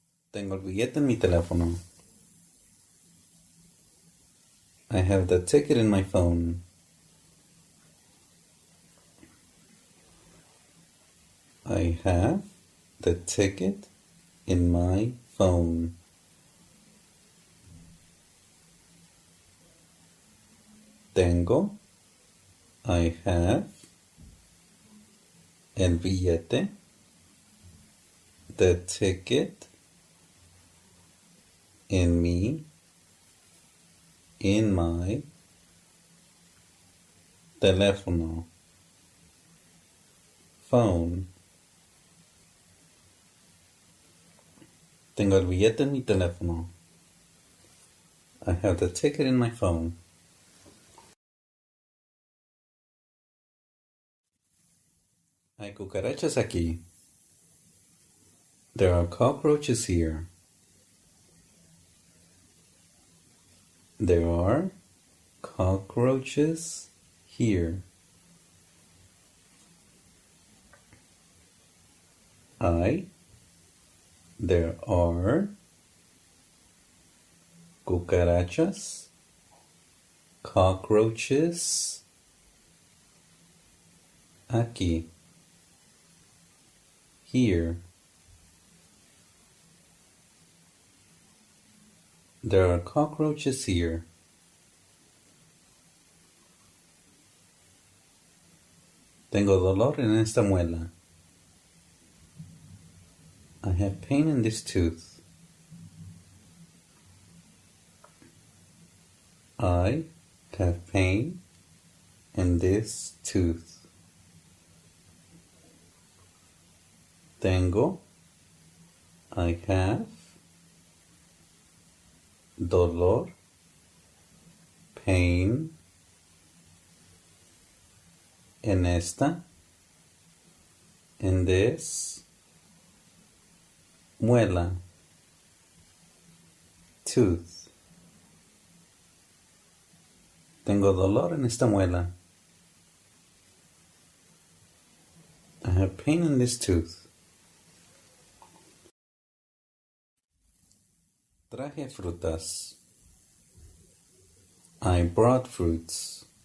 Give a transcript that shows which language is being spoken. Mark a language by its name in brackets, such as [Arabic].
[Spanish] Tengo el billete en mi teléfono. [English] I have the ticket in my phone. I have the ticket in my phone. [Spanish] Tengo, [English] I have, [Spanish] el billete, [English] the ticket, in me, in my, [Spanish] teléfono, [English] phone. [Spanish] Tengo el billete en mi teléfono. [English] I have the ticket in my phone. [Spanish] Hay cucarachas aquí. [English] There are cockroaches here. There are cockroaches here. There are [Spanish] cucarachas, [English] cockroaches [Spanish] aquí. [English] Here. There are cockroaches here. [Spanish] Tengo dolor en esta muela. [English] I have pain in this tooth. I have pain in this tooth. [Spanish] Tengo, [English] I have, [Spanish] dolor, [English] pain, [Spanish] en esta, [English] in this, [Spanish] muela, [English] tooth. [Spanish] Tengo dolor en esta muela. [English] I have pain in this tooth. [Spanish] Traje frutas. [English] I brought fruits.